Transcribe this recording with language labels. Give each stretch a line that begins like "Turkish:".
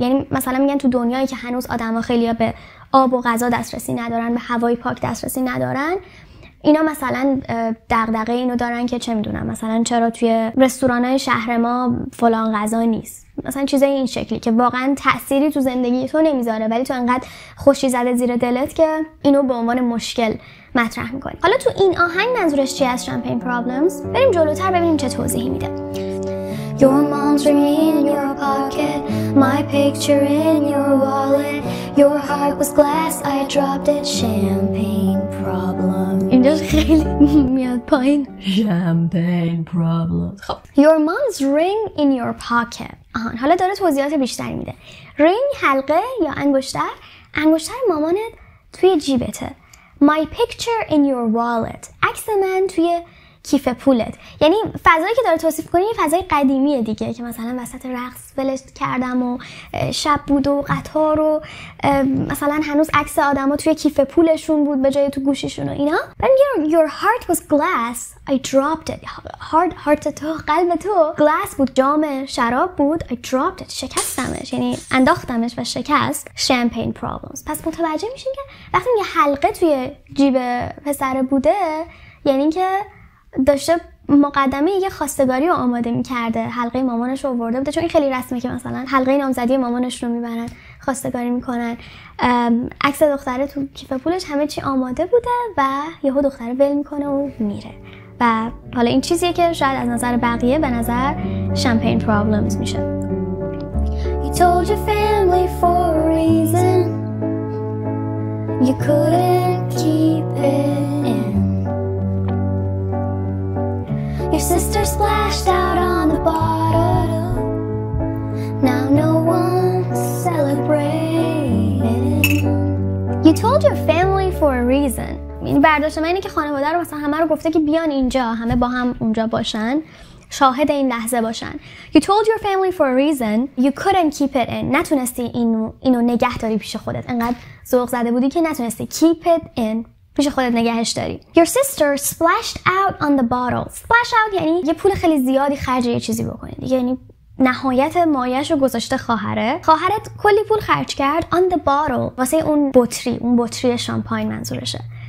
Persian: یعنی مثلا میگن تو دنیایی که هنوز آدما خیلی به آب و غذا دسترسی ندارن، به هوای پاک دسترسی ندارن، اینا مثلا دغدغه اینو دارن که چه میدونم مثلا چرا توی رستورانای شهر ما فلان غذا نیست، مثلا چیزای این شکلی که واقعا تأثیری تو زندگی تو نمیذاره ولی تو انقدر خوشی زده زیر دلت که اینو به عنوان مشکل مطرح میکنی. حالا تو این آهنگ منظورش چی از شامپین پرابلمز؟ بریم جلوتر ببینیم چه توضیحی میده.
English: Your mom's ringing in your pocket, my picture in your wallet, your heart was glass, I dropped it, champagne problem.
Persian: اینجاش خیلی میاد پایین.
English: Champagne problem.
Persian: خب.
English: Your mom's ring in your pocket.
Persian: آهان. حالا داره توضیحات بیشتر میده. Ring حلقه یا انگشتر. انگشتر مامانت توی جیبته.
English: My picture in your wallet.
Persian: عکس من توی کیف پولت. یعنی فضایی که داره توصیف کنی یه فضای قدیمیه دیگه، که مثلا وسط رقص ولش کردم و شب بود و قطار و مثلا هنوز عکس آدما توی کیف پولشون بود به جای تو گوشیشون و اینا.
English: And your heart was glass, I dropped it.
Persian: Heart تو، قلب تو glass بود، جام شراب بود.
English: I dropped it،
Persian: شکستمش، یعنی انداختمش و شکست.
English: Champagne problems.
Persian: پس متوجه میشین که وقتی یه حلقه توی جیب پسر بوده، یعنی که داشته مقدمه یه خواستگاری رو آماده می‌کرده، حلقه مامانش رو آورده بوده، چون این خیلی رسمه که مثلا حلقه نامزدی مامانش رو می‌برن خواستگاری می‌کنن، عکس دختره تو کیف پولش، همه چی آماده بوده و یهو دختره ول می‌کنه و میره. و حالا این چیزیه که شاید از نظر بقیه به نظر شامپین پرابلمز میشه.
English: You told your family for a reason, you couldn't keep it. Your sister splashed out on the bottle. Now no one's celebrating. You told your family for a reason.
Persian: یعنی برداشت من اینه که خانواده رو مثلا همه رو گفته که بیان اینجا، همه با هم اونجا باشن، شاهد این لحظه باشن.
English: You told your family for a reason. You couldn't keep it in.
Persian: نتونستی اینو نگه داری پیش خودت. انقدر ذوق زده بودی که نتونستی
English: keep it in.
Persian: پیش خودت نگهش داری.
English: Your sister splashed out on the bottle.
Persian: Splash out یعنی یه پول خیلی زیادی خرج یه چیزی بکنید. یعنی نهایت مایش رو گذاشته خواهره. خواهرت کلی پول خرج کرد
English: on the bottle.
Persian: واسه اون بطری شامپاین منظورشه.